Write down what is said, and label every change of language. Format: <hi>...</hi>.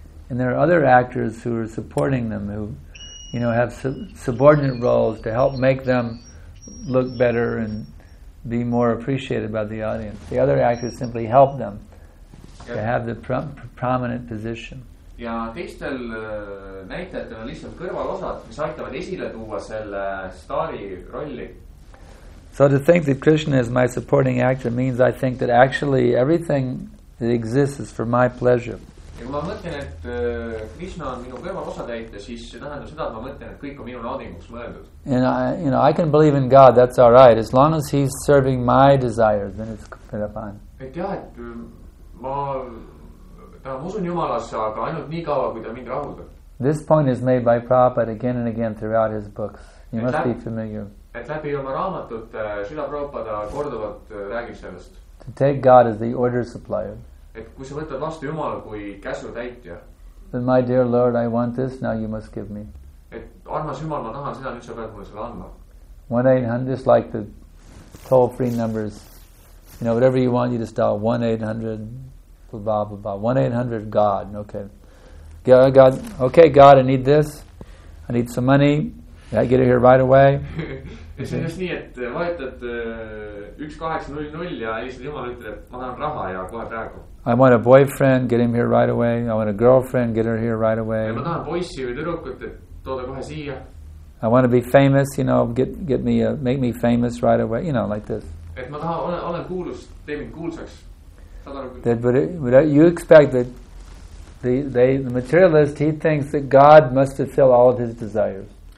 <en>And there are other actors who are supporting them, who, you know, have subordinate roles to help make them look better and be more appreciated by the audience. The other actors simply help them to have the prominent position.</en> <et>Ja teistel näitajatel on lihtsalt kõrvalosad, mis aitavad esile tuua selle staari rolli.</et> <en>So to think that Krishna is my supporting actor means I think that actually everything that exists is for my pleasure.</en> <et>Ja kui ma mõtlen, et Krishna on minu kõrvalosatäitja, siis see tähendab seda, et ma mõtlen, et kõik on minu naudinguks mõeldud.</et> <en>And I can believe in God, that's all right. As long as he's serving my desires, then it's completely fine.</en> <et>Et jah, et ma... usun Jumalas, aga ainult nii kaua, kui ta mind rahuldab.</et> <en>This point is made by Prabhupada again and again throughout his books. You must be familiar.</en> <et>Et läbi oma raamatut, Srila Prabhupada korduvalt räägib sellest.</et> <en>To take God as the order supplier.</en> <et>Et kui sa võtad vastu Jumala kui käsu täitja.</et> <en>Then my dear Lord, I want this, now you must give me.</en> <et>Et armas Jumal, ma tahan seda, nüüd sa pead mulle selle anda.</et> <en>1-800, just like the toll-free numbers. You know, whatever you want, you just dial 1-800. Blah, blah, blah. 1-800-GOD. Okay. God. Okay, God, I need this. I need some money. Yeah, I get it here right away. See?</en> <et>See on just nii, et vajutad 1-800 ja lihtsalt Jumal ütleb, ma tahan raha ja kohe praegu.</et> <en>I want a boyfriend, get him here right away. I want a girlfriend, get her here right away.</en> <et>Ma tahan poissi või tõrukut, et tooda kohe siia.</et> <en>I want to be famous, you know, get me, make me famous right away. You know, like this.</en> <et>Et ma tahan, olen kuulus, tee mind kuulsaks.</et> <en>That, but you expect that the materialist, he thinks that God must fulfill all of his desires.</en>